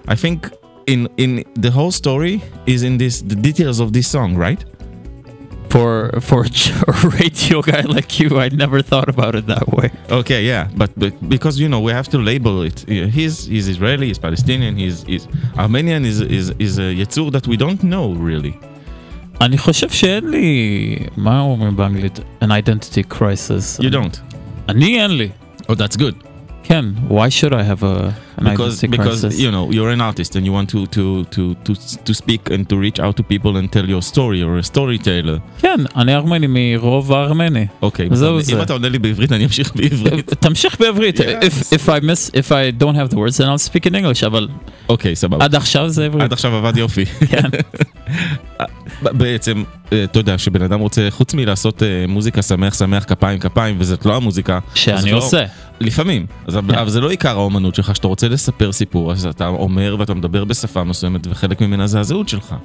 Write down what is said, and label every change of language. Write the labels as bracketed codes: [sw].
[en] I think in the whole story is in this the details of this song, right? For a radio guy like you, I never thought about it that way. Okay, yeah, but because you know we have to label it. He's Israeli, he's Palestinian, he's Armenian, is a yetzur that we don't know really. [he] אני חושב שאין לי, מה אומרים באנגלית, [en] an identity crisis. You don't. [he] אני אין לי. [en] Oh, that's good. כן, why should I have an identity crisis? Because you know you're an artist and you want to speak and to reach out to people and tell your story or a storyteller. [he] כן, אני ארמני מרוב ארמני. אוקיי, אם אתה עונה לי בעברית אני אמשיך בעברית. תמשיך בעברית. [en] If I don't have the words then I'll speak in English. [he] אבל אוקיי, סבבה. עד עכשיו זה עברית. עד עכשיו עבד יופי. כן. בעצם, אתה יודע, שבן אדם רוצה, חוץ מלעשות מוזיקה שמח, שמח, כפיים, כפיים, וזאת לא המוזיקה. שאני עושה. לפעמים. אבל זה לא עיקר האומנות שלך, שאתה רוצה לספר סיפור, אז אתה אומר ואתה מדבר בשפה מסוימת, וחלק ממנה זה הזהות שלך.